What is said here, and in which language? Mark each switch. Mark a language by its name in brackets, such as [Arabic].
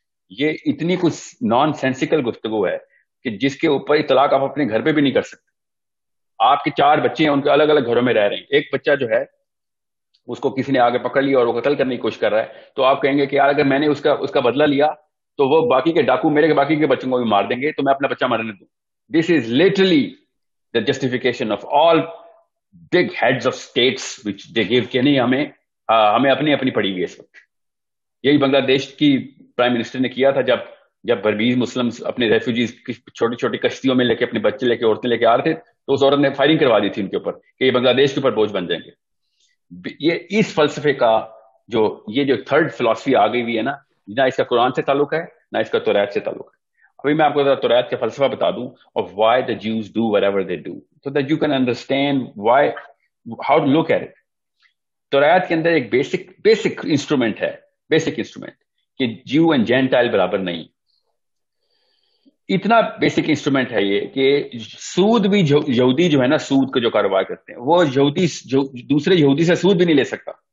[Urdu] یہ اتنی کچھ نان سینسیکل گفتگو ہے کہ جس کے اوپر اطلاق آپ اپنے گھر پہ بھی نہیں کر سکتے. آپ کے چار بچے ہیں, ان کے الگ الگ گھروں میں رہ رہے ہیں, ایک بچہ جو ہے اس کو کسی نے آگے پکڑ لیا اور وہ قتل کرنے کی کوشش کر رہا ہے, تو آپ کہیں گے کہ یار اگر میں نے اس کا بدلہ لیا تو وہ باقی کے ڈاکو میرے باقی کے بچوں کو بھی مار دیں گے, تو میں اپنا بچہ مرنے دوں. [English] This is literally the justification of all big heads of states which they give [Urdu] کہ نہیں ہمیں ہمیں اپنی اپنی پڑی ہوئی ہے اس وقت. یہی بنگلہ دیش کی پرائم منسٹر نے کیا تھا جب برمیز مسلم اپنے ریفیوجیز چھوٹی چھوٹی کشتیوں میں لے کے اپنے بچے لے کے عورتیں لے کے آ رہے تھے, تو اس عورت نے فائرنگ کروا دی تھی ان کے اوپر کہ یہ بنگلہ دیش کے اوپر بوجھ بن جائیں گے. یہ اس فلسفے کا جو یہ جو تھرڈ فلاسفی آ گئی ہوئی ہے نا, نہ اس کا قرآن سے تعلق ہے نہ اس کا توریت سے تعلق ہے. ابھی میں آپ کو توریت کا فلسفہ بتا دوں [English] of why the Jews do whatever they do so that you can understand why, how to look at it. [Urdu] توریت کے اندر ایک بیسک انسٹرومنٹ ہے, بیسک انسٹرومنٹ کہ جیو اینڈ جینٹائل برابر نہیں. اتنا بیسک انسٹرومنٹ ہے یہ کہ سود بھی یہودی جو ہے نا, سود کا جو کاروبار کرتے ہیں وہ یہودی دوسرے یہودی سے سود بھی نہیں لے سکتا.